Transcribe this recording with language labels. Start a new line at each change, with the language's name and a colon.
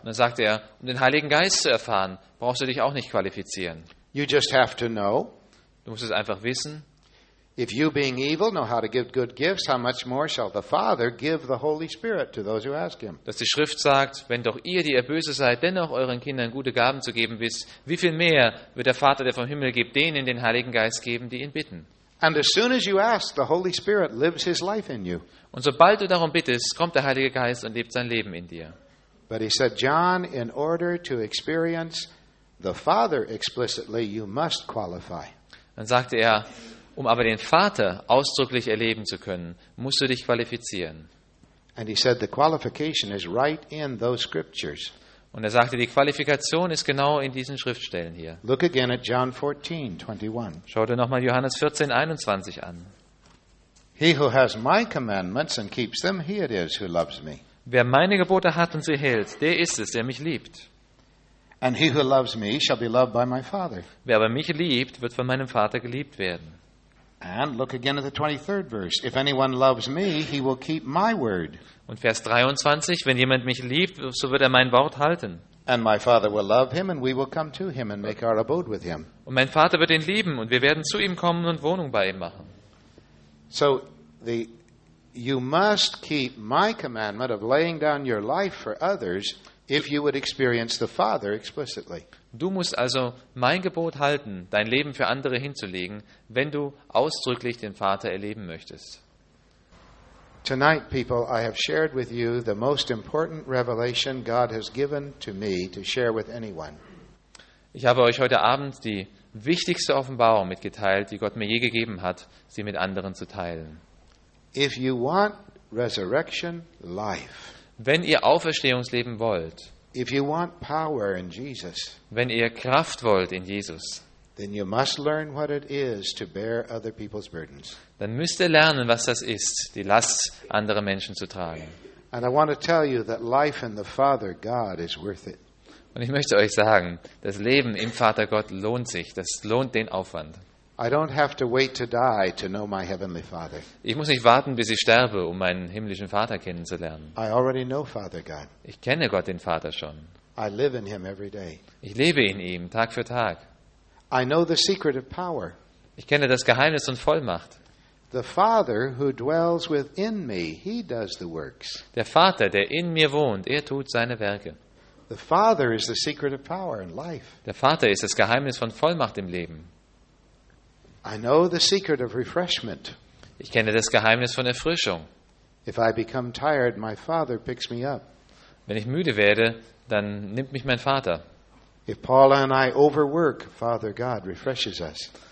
German: Dann sagte er, um den Heiligen Geist zu erfahren, brauchst du dich auch nicht qualifizieren.
English: You just have to know.
German: Du musst es einfach wissen.
English: If you being evil know how to give good gifts, how much more shall the Father give the Holy Spirit to those who ask him?
German: Dass die Schrift sagt, wenn doch ihr, die ihr böse seid, dennoch euren Kindern gute Gaben zu geben wisst, wie viel mehr wird der Vater, der vom Himmel gibt, denen den Heiligen Geist geben, die ihn bitten?
English: And as soon as you ask, the Holy Spirit lives his life in you.
German: Und sobald du darum bittest, kommt der Heilige Geist und lebt sein Leben in dir.
English: But he said, John, in order to experience the Father explicitly, you must qualify.
German: Dann sagte er, um aber den Vater ausdrücklich erleben zu können, musst du dich qualifizieren.
English: And he said, the qualification is right in those scriptures.
German: Und er sagte, die Qualifikation ist genau in diesen Schriftstellen hier.
English: Look again at John 14, 21.
German: Schau dir nochmal Johannes 14, 21 an.
English: He who has my commandments and keeps them, he it is who loves me.
German: Wer meine Gebote hat und sie hält, der ist es, der mich liebt.
English: And he who loves me shall be loved by my Father.
German: Wer aber mich liebt, wird von meinem Vater geliebt werden.
English: And look again at the 23rd verse. If anyone loves me, he will keep my word.
German: Und Vers 23, wenn jemand mich liebt, so wird er mein Wort halten.
English: And my Father will love him and we will come to him and make our abode with him.
German: Und mein Vater wird ihn lieben und wir werden zu ihm kommen und Wohnung bei ihm machen.
English: So you must keep my commandment of laying down your life for others if you would experience the Father explicitly.
German: Du musst also mein Gebot halten, dein Leben für andere hinzulegen, wenn du ausdrücklich den Vater erleben möchtest.
English: Tonight, people, I have shared with you the most important revelation God has given to me to share with anyone.
German: Ich habe euch heute Abend die wichtigste Offenbarung mitgeteilt, die Gott mir je gegeben hat, sie mit anderen zu teilen.
English: If you want resurrection life,
German: wenn ihr Auferstehungsleben wollt,
English: if you want power in Jesus,
German: wenn ihr Kraft wollt in Jesus,
English: then you must learn what it is to bear other people's burdens.
German: Dann müsst ihr lernen, was das ist, die Last anderer Menschen zu tragen.
English: And I want to tell you that life in the Father God is worth it.
German: Und ich möchte euch sagen, das Leben im Vater Gott lohnt sich. Das lohnt den Aufwand.
English: I don't have to wait to die to know my heavenly Father.
German: Ich muss nicht warten, bis ich sterbe, um meinen himmlischen Vater kennenzulernen.
English: I already know Father God.
German: Ich kenne Gott den Vater schon.
English: I live in him every day.
German: Ich lebe in ihm Tag für Tag.
English: I know the secret of power.
German: Ich kenne das Geheimnis und Vollmacht.
English: The Father who dwells within me, he does the works.
German: Der Vater, der in mir wohnt, er tut seine Werke.
English: The Father is the secret of power and life.
German: Der Vater ist das Geheimnis von Vollmacht im Leben.
English: I know the secret of refreshment.
German: Ich kenne das Geheimnis von Erfrischung.
English: If I become tired, my Father picks me up.
German: Wenn ich müde werde, dann nimmt mich mein Vater.
English: If Paula and I overwork, Father God refreshes us.